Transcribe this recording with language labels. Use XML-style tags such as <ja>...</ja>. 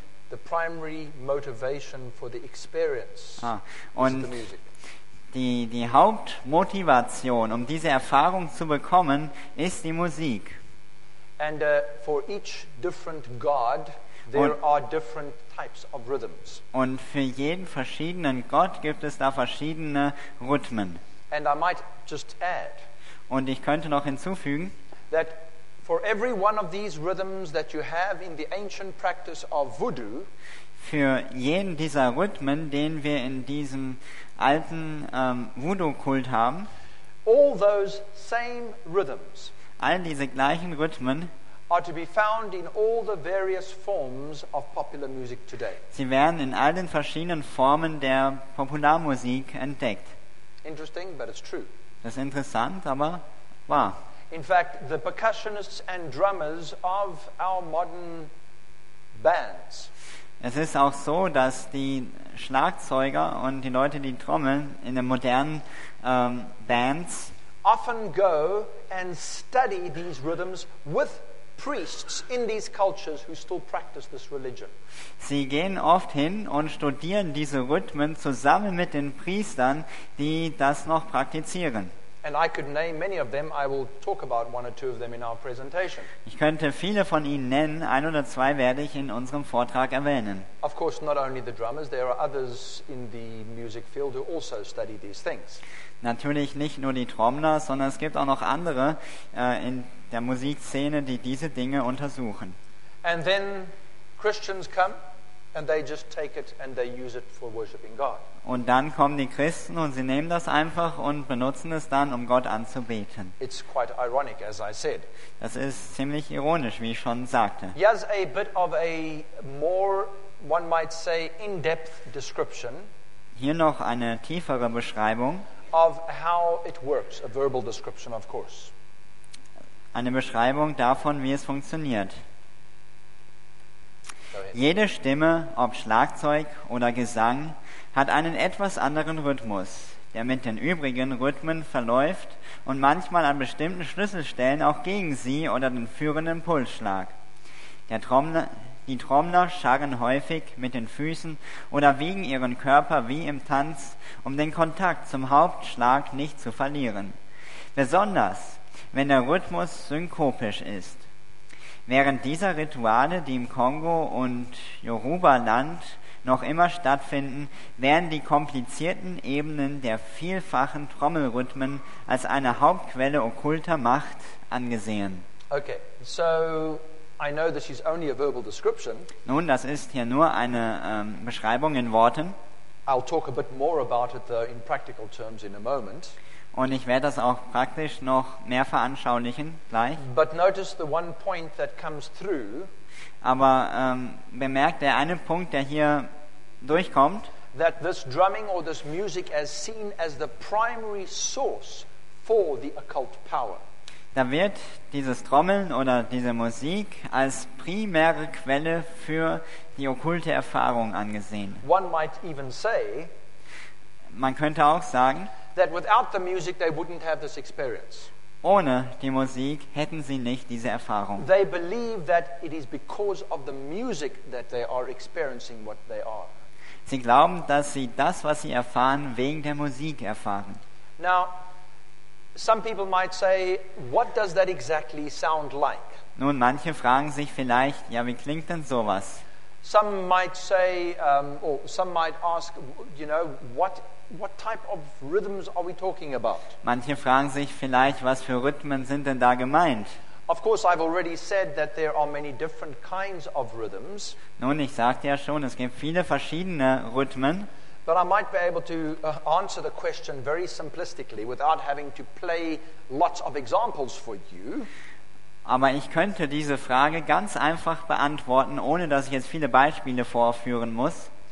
<en>the primary motivation for the experience</en> <de>Und</de> <en>is the music.</en> <de>Die Hauptmotivation, um diese Erfahrung zu bekommen, ist die Musik.</de> <en>And for each different god there are different types of rhythms.</en> <de>Und für jeden verschiedenen Gott gibt es da verschiedene Rhythmen.</de> <en>And I might just add,</en> <de>und ich könnte noch hinzufügen,</de> <en>that for every one of these rhythms that you have in the ancient practice of voodoo,</en> <de>für jeden dieser Rhythmen, den wir in diesem alten Voodoo-Kult haben,</de> <en>all those same rhythms,</en> <de>all diese gleichen Rhythmen,</de> <en>are to be found in all the various forms of popular music today.</en> <de>Sie werden in all den verschiedenen Formen der Popularmusik entdeckt.</de> <en>Interesting, but it's true.</en> <de>Das ist interessant, aber wahr.</de> <en>In fact, the percussionists and drummers of our modern bands.</en> <de>Es ist auch so, dass die Schlagzeuger und die Leute, die trommeln in den modernen Bands,</de> <en>often go and study these rhythms with priests in these cultures who still practice this religion.</en> <de>Sie gehen oft hin und studieren diese Rhythmen zusammen mit den Priestern, die das noch praktizieren.</de> <en>And I could name many of them. I will talk about one or two of them in our presentation.</en> <de>Ich könnte viele von ihnen nennen. Ein oder zwei werde ich in unserem Vortrag erwähnen.</de> <en>Of course, not only the drummers. There are others in the music field who also study these things.</en> <de>Natürlich nicht nur die Trommler, sondern es gibt auch noch andere in der Musikszene, die diese Dinge untersuchen.</de> <en>And then Christians come and they just take it and they use it for worshiping God.</en> <de>Und dann kommen die Christen und sie nehmen das einfach und benutzen es dann, um Gott anzubeten.</de> <en>It's quite ironic, as I said.</en> <de>Das ist ziemlich ironisch, wie ich schon sagte.</de> <en>Yes, a bit of a more, one might say, in-depth description.</en> <de>Hier noch eine tiefere Beschreibung.</de> <en>Of how it works, a verbal description, of course.</en> <de>Eine Beschreibung davon, wie es funktioniert. Jede Stimme, ob Schlagzeug oder Gesang, hat einen etwas anderen Rhythmus, der mit den übrigen Rhythmen verläuft und manchmal an bestimmten Schlüsselstellen auch gegen sie oder den führenden Pulsschlag. Die Trommler scharren häufig mit den Füßen oder wiegen ihren Körper wie im Tanz, um den Kontakt zum Hauptschlag nicht zu verlieren. Besonders wenn der Rhythmus synkopisch ist. Während dieser Rituale, die im Kongo und Yoruba-Land noch immer stattfinden, werden die komplizierten Ebenen der vielfachen Trommelrhythmen als eine Hauptquelle okkulter Macht angesehen.</de> <en>Okay, so I know this is only a verbal description.</en> <de>Nun, das ist hier nur eine Beschreibung in Worten.</de> <en>I'll talk a bit more about it though in practical terms in a moment.</en> <de>Und ich werde das auch praktisch noch mehr veranschaulichen gleich.</de> <en>But notice the one point that comes through.</en> <de>Aber bemerkt der eine Punkt, der hier durchkommt.</de> <en>That this drumming or this music is seen as the primary source for the occult power.</en> <de>Da wird dieses Trommeln oder diese Musik als primäre Quelle für die okkulte Erfahrung angesehen.</de> <en>One might even say,</en> <de>man könnte auch sagen,</de> <en>that without the music they wouldn't have this experience.</en> <de>Ohne die Musik hätten sie nicht diese Erfahrung.</de> <en>They believe that it is because of the music that they are experiencing what they are.</en> <de>Sie glauben, dass sie das, was sie erfahren, wegen der Musik erfahren.</de> <en>Now, some people might say, what does that exactly sound like?</en> <de>Nun, manche fragen sich vielleicht, ja, wie klingt denn sowas?</de> <en>Some might say, or some might ask, you know, what type of rhythms are we talking about?</en> <de>Manche fragen sich vielleicht, was für Rhythmen sind denn da gemeint?</de> <en>Of course, I've already said that there are many different kinds of rhythms.</en> <de>Nun, ich sagte ja schon, es gibt viele verschiedene Rhythmen.</de> <en>But I might be able to answer the question very simplistically without having to play lots of examples for you.</en> <de>Aber ich könnte diese Frage ganz einfach beantworten, ohne dass ich jetzt viele Beispiele vorführen muss.</de>